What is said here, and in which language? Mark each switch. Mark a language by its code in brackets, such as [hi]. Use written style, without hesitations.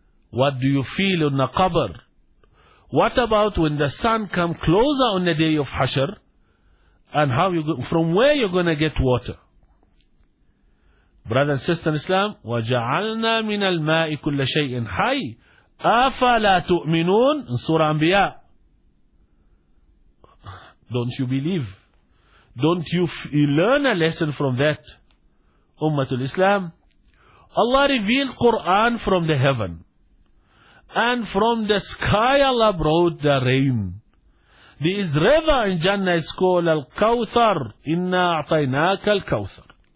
[en] What do you feel on the qabr? What about when the sun come closer on the day of Hashr, and from where you're going to get water? Brother and sister in Islam, [ar] وَجَعَلْنَا مِنَ الْمَاءِ كُلَّ شَيْءٍ حَيٍّ أَفَلَا تُؤْمِنُونَ. [en] Surah Anbiya. Don't you believe? Don't you learn a lesson from that? Ummatul Islam, Allah revealed Quran from the heaven. And from the sky Allah brought the rain. There is river in Jannah, it's called Al-Kawthar. [ar] Inna a'tainaka al-Kawthar.